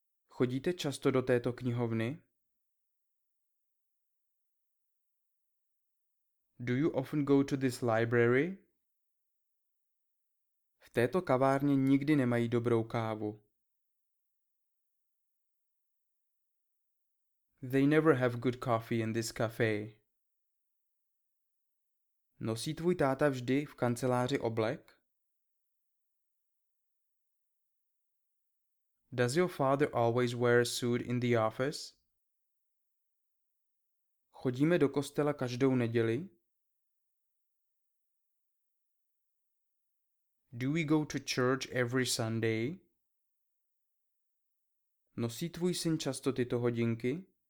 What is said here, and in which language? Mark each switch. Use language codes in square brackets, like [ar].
[cs] Chodíte často do této knihovny? [en] Do you often go to this library? [cs] V této kavárně nikdy nemají dobrou kávu. [en] They never have good coffee in this cafe. [cs] Nosí tvůj táta vždy v kanceláři oblek? [en] Does your father always wear a suit in the office? [cs] Chodíme do kostela každou neděli? [en] Do we go to church every Sunday? [cs] Nosí tvůj syn často tyto hodinky?